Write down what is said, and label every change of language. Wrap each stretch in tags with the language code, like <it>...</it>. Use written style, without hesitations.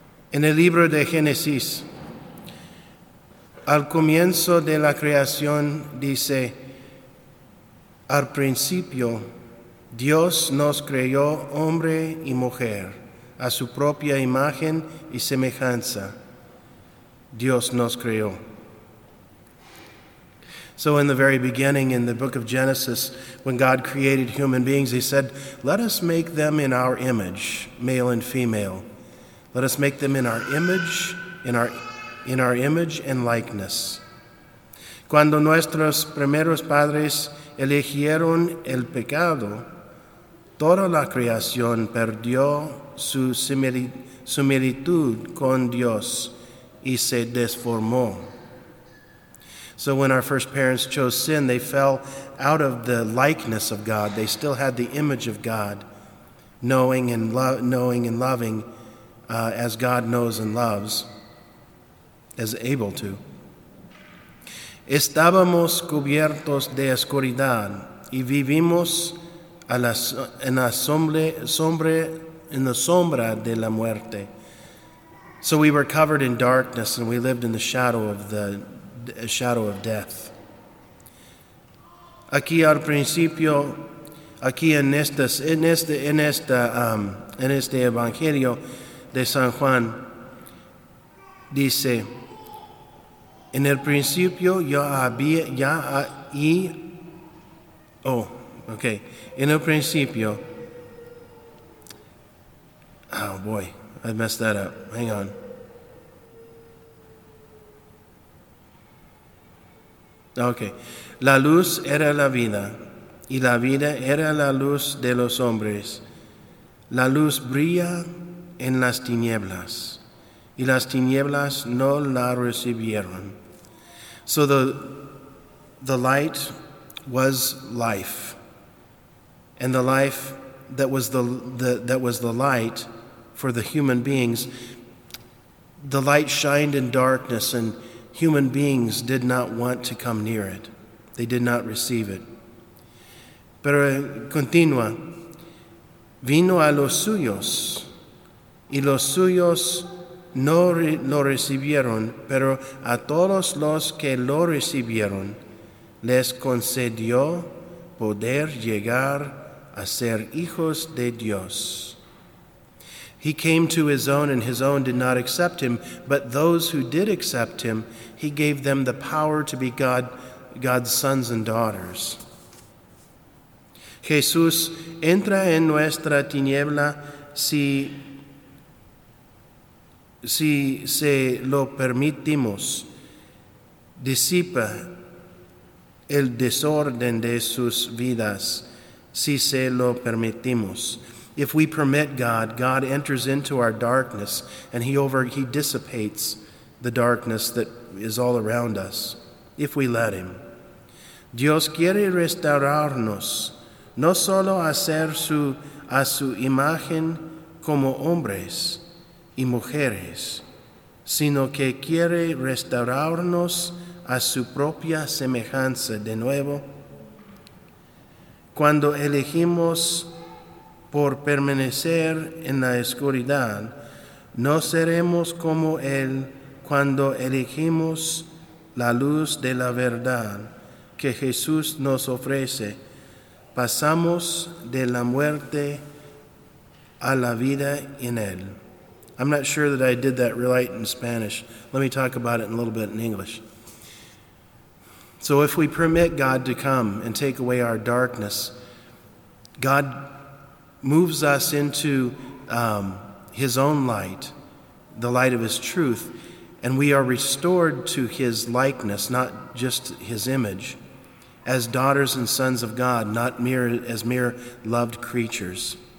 <es>En el libro de Génesis, al comienzo de la creación, dice: al principio, Dios nos creó hombre y mujer a su propia imagen y semejanza. Dios nos creó.</es> <en>So in the very beginning, in the book of Genesis, when God created human beings, he said, let us make them in our image, male and female. Let us make them in our image, in our image and likeness.</en> <es>Cuando nuestros primeros padres eligieron el pecado, toda la creación perdió su similitud con Dios y se desformó.</es> <en>So when our first parents chose sin, they fell out of the likeness of God. They still had the image of God, knowing and loving as God knows and loves, as able to.</en> <es>Estábamos cubiertos de oscuridad y vivimos en la sombra de la muerte.</es> <en>So we were covered in darkness and we lived in the shadow of death.</en> <es>Aquí al principio, aquí en este Evangelio de San Juan, dice: en el principio la luz era la vida, y la vida era la luz de los hombres. La luz brilla en las tinieblas, y las tinieblas no la recibieron.</es> <en>So the light was life, and the life that was the light for the human beings. The light shined in darkness, and human beings did not want to come near it. They did not receive it.</en> <es>Pero continúa. Vino a los suyos, y los suyos no lo recibieron, pero a todos los que lo recibieron, les concedió poder llegar a ser hijos de Dios.</es> <en>He came to his own, and his own did not accept him, but those who did accept him, he gave them the power to be God's sons and daughters.</en> <es>Jesús entra en nuestra tiniebla si se lo permitimos. Disipa el desorden de sus vidas si se lo permitimos.</es> <en>If we permit God, God enters into our darkness and he dissipates the darkness that is all around us, if we let him.</en> <es>Dios quiere restaurarnos, no solo hacer a su imagen como hombres y mujeres, sino que quiere restaurarnos a su propia semejanza de nuevo. Cuando elegimos por permanecer en la oscuridad, no seremos como Él cuando elegimos la luz de la verdad que Jesús nos ofrece. Pasamos de la muerte a la vida en Él.</es> <en>I'm not sure that I did that right in Spanish. Let me talk about it in a little bit in English. So if we permit God to come and take away our darkness, God moves us into his own light, the light of his truth, and we are restored to his likeness, not just his image, as daughters and sons of God, not mere loved creatures.</en>